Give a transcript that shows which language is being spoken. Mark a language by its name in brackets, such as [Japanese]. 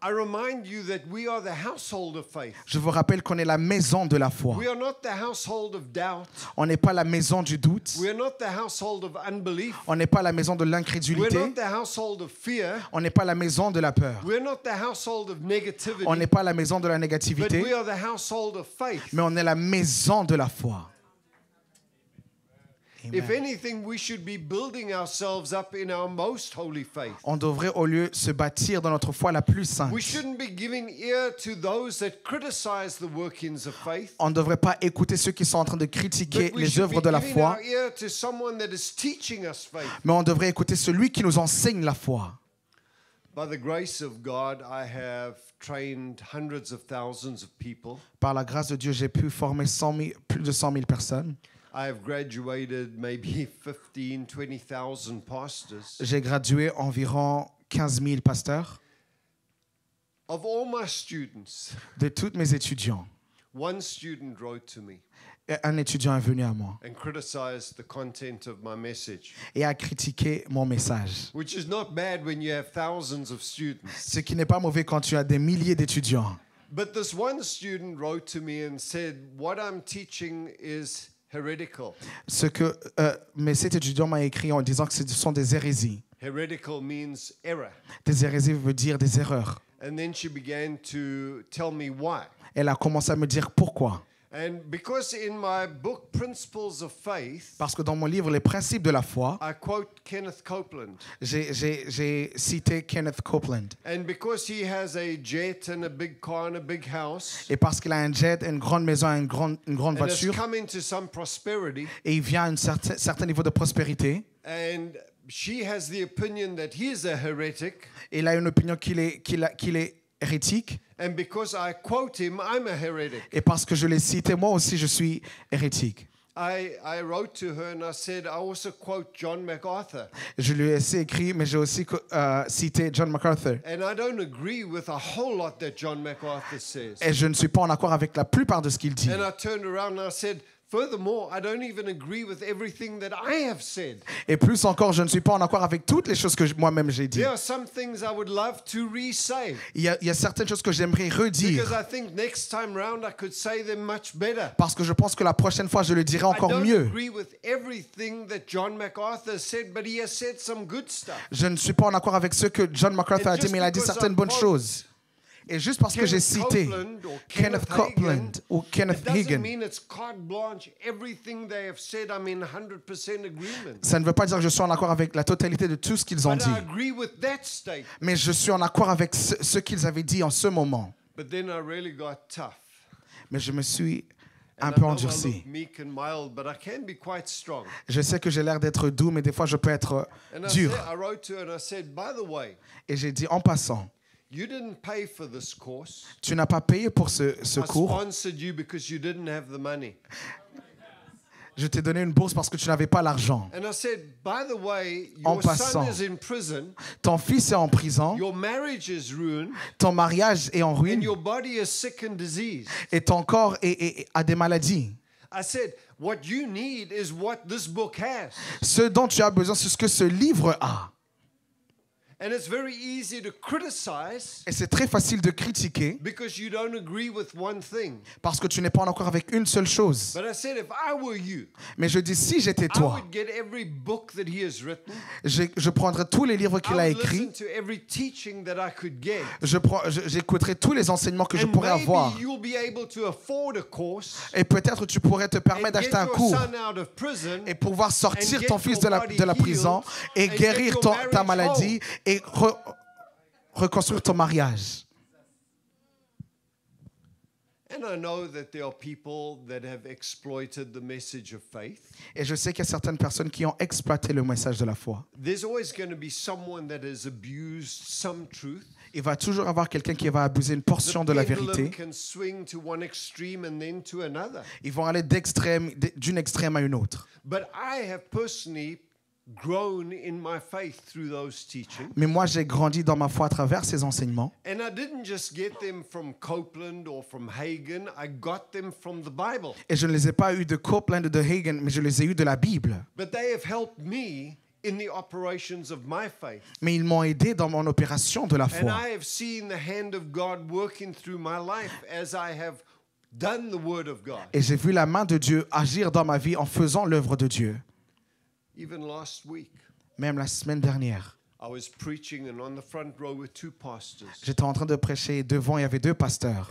[English] I remind you that we are the household of faith. [French] Je vous rappelle qu'on est la maison de la foi. [English] We are not the household of doubt. [French] On n'est pas la maison du doute. [English] We are not the household of unbelief. [French] On n'est pas la maison de l'incrédulité. [English] We are not the household of fear. [French] On n'est pas la maison de la peur. [English] We are not the household of negativity. [French] On n'est pas la maison de la négativité. [English] But we are the household of [French] Mais on est la maison de la foi. [English] If anything, we should be building ourselves up in our most holy faith. [French] On devrait au lieu se bâtir dans notre foi la plus sainte. [English] We shouldn't be giving ear to those that criticize the workings of faith. [French] On ne devrait pas écouter ceux qui sont en train de critiquer les œuvres de la foi. [English] But we should be giving our ear to someone that is teaching us faith. [French] Mais on devrait écouter celui qui nous enseigne la foi. [English] By the grace of God, I have trained hundreds of thousands of people. [French] Par la grâce de Dieu, j'ai pu former plus de 100 000 personnes. [English] I have graduated maybe 15, 20,000 pastors. [French] J'ai gradué environ 15 000 pasteurs. [English] Of all my students, [French] de toutes mes étudiants, [English] one student wrote to me. [French] Un étudiant est venu à moi [English] and criticized the content of my message, [French] et a critiqué mon message. [English] Which is not bad when you have thousands of students. [French] Ce qui n'est pas mauvais quand tu as des milliers d'étudiants. [English] But this one student wrote to me and said, "What I'm teaching is heretical." [French] Ce que mais cet étudiant m'a écrit en disant que ce sont des hérésies. [English] Heretical means error. [French] Des hérésies veut dire des erreurs. [English] And then she began to tell me why. [French] Elle a commencé à me dire pourquoi. [English] And because in my book Principles of Faith, [French] parce que dans mon livre Les Principes de la foi, [English] I quote Kenneth Copeland. [French] J'ai cité Kenneth Copeland. [English] And because he has a jet and a big car and a big house, [French] et parce qu'il a un jet, une grande maison, une grande [English] and [French] voiture, [English] has come into some prosperity, [French] et il vient à un certain niveau de prospérité, [English] and she has the opinion that he is a heretic, [French] il a une opinion qu'il est hérétique. [English] And because I quote him, I'm a heretic. [French] Et parce que je l'ai cité, moi aussi, je suis hérétique. [English] I wrote to her and I said I also quote John MacArthur. [French] Je lui ai écrit, mais j'ai aussi cité John MacArthur. [English] And I don't agree with a whole lot that John MacArthur says. [French] Et je ne suis pas en accord avec la plupart de ce qu'il dit. [English] And I turned around and I said, furthermore, I don't even agree with everything that I have said. [French] Et plus encore, je ne suis pas en accord avec toutes les choses que moi-même j'ai dit. [English] There are some things I would love to re-say. [French] Il y a certaines choses que j'aimerais redire. [English] Because I think next time round I could say them much better. [French] Parce que je pense que la prochaine fois je le dirai encore mieux. [English] I don't agree with everything that John MacArthur said, but he has said some good stuff. [French] Je ne suis pas en accord avec ce que John MacArthur a dit, mais il a dit certaines bonnes choses. Et juste parce [English] Kenneth [French] que j'ai cité [English] Kenneth Copeland [French] ou Kenneth Hagin, [English] mean it's carte blanche. Everything they have said, I'm in 100% agreement. [French] Ça ne veut pas dire que je suis en accord avec la totalité de tout ce qu'ils ont dit. [English] But I agree with that statement. [French] Mais je suis en accord avec ce qu'ils avaient dit en ce moment. [English] But then I really got tough. [French] Mais je me suis un [English] and [French] peu endurci. [English] Meek and mild, but I can be quite strong. [French] Je sais que j'ai l'air d'être doux, mais des fois je peux être dur. [English] I wrote to her and I said, by the way, [French] et j'ai dit en passant, [English] you didn't pay for this course. [French] Tu n'as pas payé pour ce cours. [English] I sponsored you because you didn't have the money. [French] Je t'ai donné une bourse parce que tu n'avais pas l'argent. [English] And I said, by the way, [French] en passant, [English] son is in prison, [French] ton fils est en prison, [English] your marriage is ruined, [French] ton mariage est en ruine, [English] and your body is sick and diseased. [French] Et ton corps a des maladies. [English] I said, what you need is what this book has. [French] Ce dont tu as besoin, c'est ce que ce livre a. [English] And it's very easy to criticize. [French] Et c'est très facile de critiquer. [English] Because you don't agree with one thing. [French] Parce que tu n'es pas en accord avec une seule chose. [English] But I said, if I were you, [French] mais je dis si j'étais toi. [English] I would get every book that he has written. [French] Je prendrais tous les livres qu'il [English] I would [French] a écrits. [English] Listen to every teaching that I could get. [French] J'écouterais tous les enseignements que [English] and [French] je pourrais [English] maybe [French] avoir. [English] You'll be able to afford a course. [French] Et peut-être tu pourrais te permettre [English] and [French] d'acheter [English] get your [French] un cours. [English] Son out of prison, [French] et pouvoir sortir ton fils de la prison [English] healed, [French] et guérir ta maladie. Et reconstruire ton mariage. [English] And I know that there are people that have exploited the message of faith. [French] Et je sais qu'il y a certaines personnes qui ont exploité le message de la foi. [English] There's always going to be someone that has abused some truth. [French] Il va toujours avoir quelqu'un qui va abuser une portion de la vérité. [English] Can swing to one extreme and then to another. [French] Ils vont aller d'une extrême à une autre. [English] But I have personally grown in my faith through those teachings. [French] Mais moi, j'ai grandi dans ma foi à travers ces enseignements. [English] And I didn't just get them from Copeland or from Hagin. I got them from the Bible. [French] Et je ne les ai pas eu de Copeland ou de Hagin, mais je les ai eu de la Bible. [English] But they have helped me in the operations of my faith. [French] Mais ils m'ont aidé dans mon opération de la foi. [English] And I have seen the hand of God working through my life as I have done the word of God. [French] Et j'ai vu la main de Dieu agir dans ma vie en faisant l'œuvre de Dieu. [English] Even last week, [French] même la semaine dernière, [English] I was preaching and on the front row were two pastors. [French] J'étais en train de prêcher devant, il y avait deux pasteurs.